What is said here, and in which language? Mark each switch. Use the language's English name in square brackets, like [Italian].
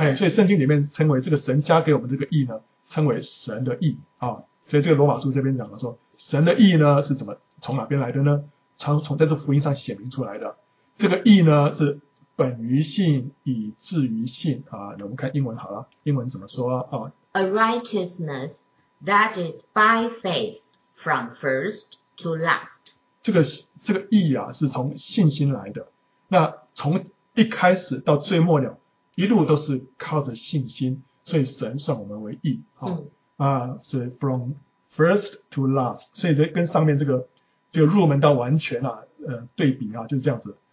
[Chinese] 哎，所以圣经里面称为这个神加给我们这个义呢，称为神的义啊。所以这个罗马书这边讲了说，神的义呢是怎么从哪边来的呢？从在这福音上显明出来的。这个义呢是。本于信以至于信啊，我们看英文好了，英文怎么说啊？啊 [English] ，A righteousness that is by faith from first to last。 [Chinese] 这个义啊，是从信心来的。那从一开始到最末了，一路都是靠着信心，所以神算我们为义啊。啊，是 [English] from first to last， [Chinese] 所以这跟上面这个入门到完全啊，对比啊，就是这样子。